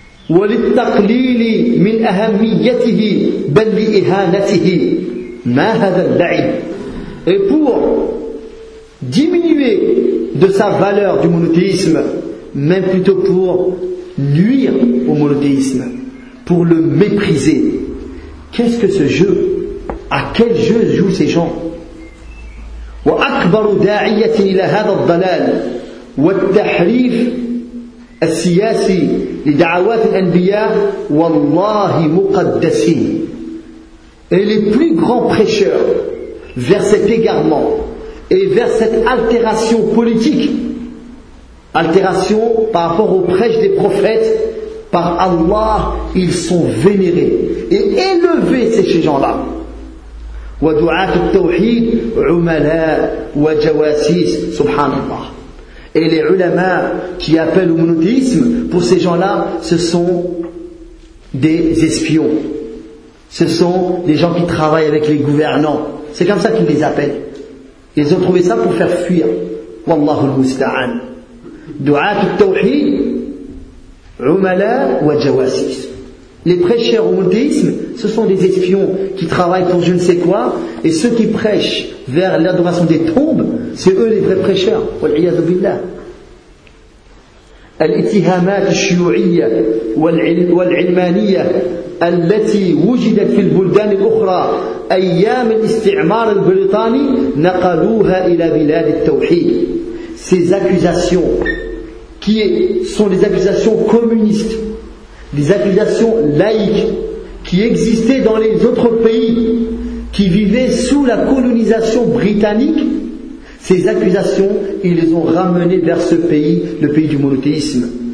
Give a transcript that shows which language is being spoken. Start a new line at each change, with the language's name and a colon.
Arabic: وللتقليل من أهميته بل لإهانته ما هذا اللعب.
French: Et pour diminuer de sa valeur du monothéisme, même plutôt pour nuire au monothéisme, pour le mépriser. Qu'est-ce que ce jeu? À quel jeu jouent ces gens?
Arabic: وأكبر داعية إلى هذا الضلال والتحريف السياسي لدعوات الأنبياء والله مقدسين.
French: Et les plus grands prêcheurs vers cet égarement et vers cette altération politique, altération par rapport aux prêches des prophètes, par Allah, ils sont vénérés et élevés, c'est ces gens-là.
Arabic: Wa du'at at-tawhid, umala wa jawasis, subhanallah.
French: Et les ulama qui appellent au monothéisme, pour ces gens-là, ce sont des espions. Ce sont des gens qui travaillent avec les gouvernants. C'est comme ça qu'ils les appellent. Ils ont trouvé ça pour faire fuir.
Arabic: Wallahu al-musta'an. Du'at al-tawhid, umala wa jawasis.
French: Les prêcheurs au monothéisme, ce sont des espions qui travaillent pour je ne sais quoi, et ceux qui prêchent vers l'adoration des tombes, c'est eux les vrais prêcheurs.
Arabic: Wal'iyadhu billah. Al-ittihamat al-shiyu'iyya wal-ilmaniyya التي وجدت في البلدان الأخرى أيام الاستعمار البريطاني نقلوها إلى بلاد التوحيد.
French: Ces accusations qui sont des accusations communistes, des accusations laïques qui existaient dans les autres pays qui vivaient sous la colonisation britannique, ces accusations ils les ont ramenées vers ce pays, le pays du monothéisme.